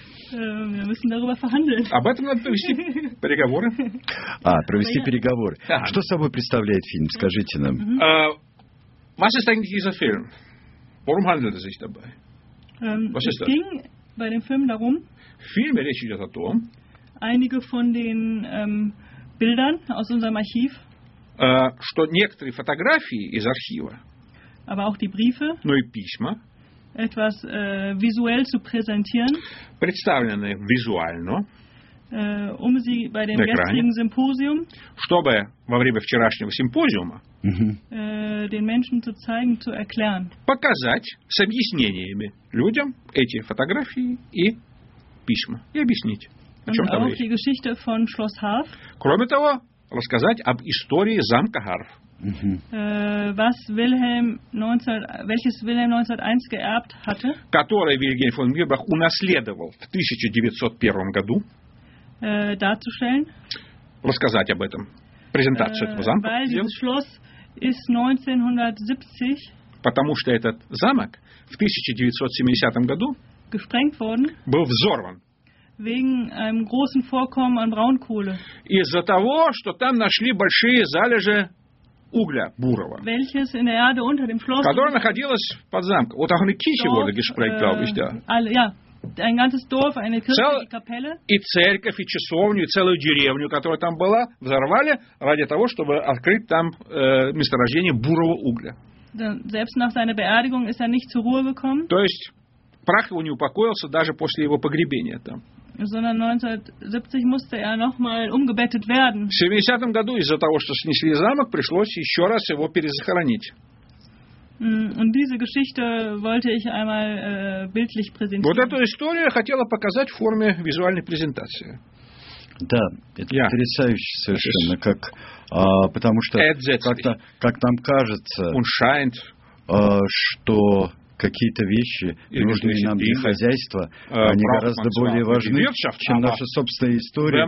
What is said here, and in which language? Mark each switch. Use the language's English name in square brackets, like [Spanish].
[Russian] Об этом надо провести переговоры. Провести переговоры. Что собой представляет фильм? Скажите нам. [German] Was ist eigentlich dieser Film? Worum handelt es sich dabei? Was ist das? Es ging bei dem Film darum, [Russian] Filme, речь идет о том, [German] einige von den Bildern aus unserem Archiv, [Russian] что некоторые фотографии из архива, [German] aber auch die Briefe, [Russian] но и письма, [German] etwas visuell zu präsentieren, [Russian] представлены визуально, [German] um sie bei dem gestrigen Symposium, [Russian] чтобы во время вчерашнего симпозиума, [German] den Menschen zu zeigen, zu erklären, [Russian] показать с объяснениями людям эти фотографии и письма и объяснить, о чем там [German] речь. Die Geschichte von Schloss Harf. [Russian] Кроме того, рассказать об истории замка Харф. [German] Welches Wilhelm 1901 geerbt hatte? [Russian] Который Вильгельм фон Мирбах унаследовал в 1901 году. [German] Darzustellen. [Russian] Рассказать об этом. Презентацию этого замка. [German] Weil dieses Schloss ist 1970. [Russian] Потому что этот замок в 1970 году [German] gesprengt worden. [Russian] Был взорван. [German] Wegen einem großen Vorkommen an Braunkohle. [Russian] Из-за того, что там нашли большие залежи угля бурого. [German] Welches in der Erde unter dem Schloss, [Russian] которое находилось под замком. [German] Вот auch eine Kirche wurde gesprengt, glaube ich, da. Ja, ein ganzes Dorf, eine Kirche, die Kapelle. [Russian] И церковь, и часовню, и целую деревню, которая там была, взорвали ради того, чтобы открыть там месторождение бурого угля. [German] Selbst nach seiner Beerdigung ist er nicht zur Ruhe gekommen. [Russian] То есть прах его не упокоился даже после его погребения там. [German] Sondern 1970 musste er nochmal umgebettet werden. [Russian] В 70-м году из-за того, что снесли замок, пришлось еще раз его перезахоронить. [German] Und diese Geschichte wollte ich einmal bildlich präsentieren. [Russian] Вот эту историю я хотела показать в форме визуальной презентации. Да, это потрясающе совершенно, как, потому что как-то, как нам кажется, [German] scheint, [Russian] что какие-то вещи, нужные нам для хозяйства, они гораздо более важны, чем наша собственная история,